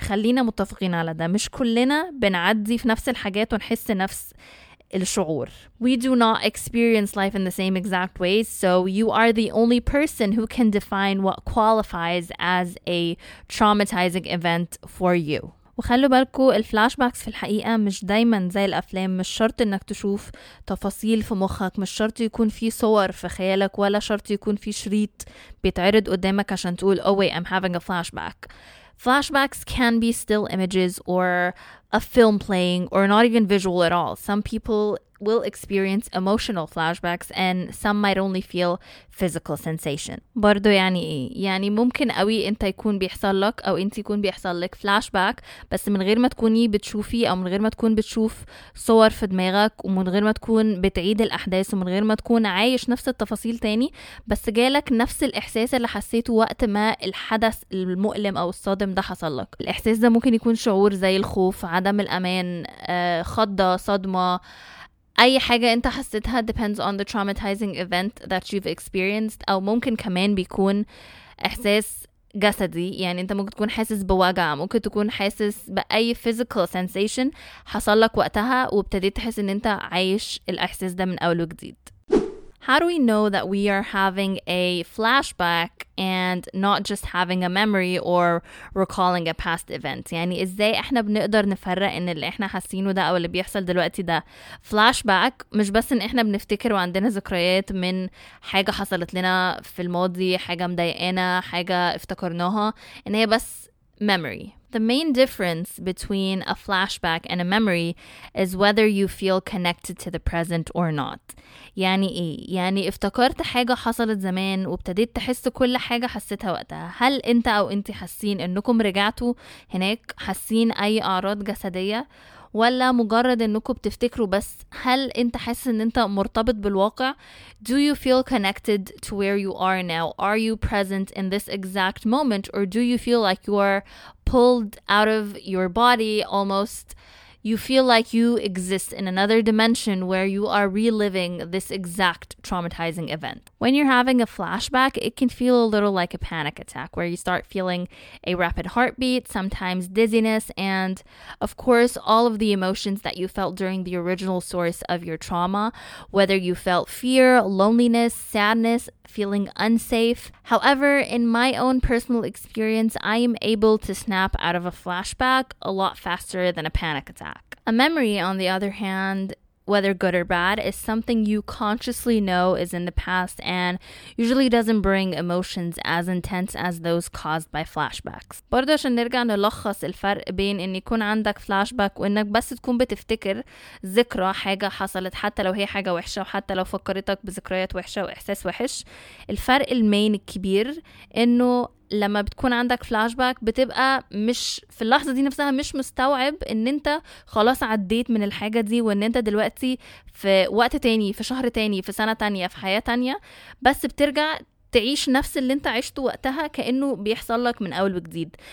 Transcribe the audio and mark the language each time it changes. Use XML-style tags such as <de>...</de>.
<ar>خلينا متفقين على ده, مش كلنا بنعدي في نفس الحاجات ونحس نفس الشعور.</ar> <en>We do not experience life in the same exact ways, so you are the only person who can define what qualifies as a traumatizing event for you.</en> <ar>وخلوا بالكو الفلاشباكس في الحقيقة مش دايما زي الأفلام, مش شرط انك تشوف تفاصيل في مخك, مش شرط يكون في صور في خيالك, ولا شرط يكون في شريط بيتعرض قدامك عشان تقول</ar> <en>oh wait, I'm having a flashback. Flashbacks can be still images or a film playing or not even visual at all. Some people will experience emotional flashbacks and some might only feel physical sensation.</en> <ar>برضو يعني إيه؟ يعني ممكن قوي أنت يكون بيحصل لك أو أنت يكون بيحصل لك flashback بس من غير ما تكوني بتشوفي أو من غير ما تكون بتشوف صور في دماغك ومن غير ما تكون بتعيد الأحداث ومن غير ما تكون عايش نفس التفاصيل تاني بس جالك نفس الإحساس اللي حسيته وقت ما الحدث المؤلم أو الصادم ده حصل لك. الإحساس ده ممكن يكون شعور زي الخوف, عدم الأمان, خضة, صدمة, أي حاجة أنت حسيتها</ar> <en>depends on the traumatizing event that you've experienced.</en> <ar>أو ممكن كمان بيكون إحساس جسدي, يعني أنت ممكن تكون حاسس بوجع, ممكن تكون حاسس بأي</ar> <en>physical sensation</en> <ar>حصل لك وقتها وابتديت تحس أن أنت عايش الإحساس ده من أول وجديد.</ar> <en>How do we know that we are having a flashback and not just having a memory or recalling a past event?</en> <ar>يعني إزاي إحنا بنقدر نفرق إن اللي إحنا حاسينه ده أو اللي بيحصل دلوقتي ده flashback, مش بس إن إحنا بنفتكر وعندنا ذكريات من حاجة حصلت لنا في الماضي, حاجة مضايقانا, حاجة افتكرناها, إن هي بس memory.</ar> <en>The main difference between a flashback and a memory is whether you feel connected to the present or not.</en> <ar>يعني إيه؟ يعني افتكرت حاجة حصلت زمان وابتديت تحس كل حاجة حسيتها وقتها, هل أنت أو أنت حاسين أنكم رجعتوا هناك, حاسين أي أعراض جسدية, ولا مجرد أنكم بتفتكروا بس, هل أنت حاسس أن أنت مرتبط بالواقع؟</ar> <en>Do you feel connected to where you are now? Are you present in this exact moment, or do you feel like you are pulled out of your body almost? You feel like you exist in another dimension where you are reliving this exact traumatizing event. When you're having a flashback, it can feel a little like a panic attack where you start feeling a rapid heartbeat, sometimes dizziness, and of course, all of the emotions that you felt during the original source of your trauma, whether you felt fear, loneliness, sadness, feeling unsafe. However, in my own personal experience, I am able to snap out of a flashback a lot faster than a panic attack. A memory, on the other hand, whether good or bad, is something you consciously know is in the past and usually doesn't bring emotions as intense as those caused by flashbacks.</en> <ar>برضو عشان نرجع نلخص الفرق بين ان يكون عندك flashback وانك بس تكون بتفتكر ذكرى حاجة حصلت حتى لو هي حاجة وحشة وحتى لو فكرتك بذكريات وحشة وإحساس وحش. الفرق المين الكبير انه لما بتكون عندك flashback بتبقى مش في اللحظة دي نفسها مش مستوعب ان انت خلاص عديت من الحاجة دي وان انت دلوقتي في وقت تاني في شهر تاني في سنة تانية في حياة تانية, بس بترجع تعيش نفس اللي انت عشته وقتها كأنه بيحصل لك من اول وجديد.</ar>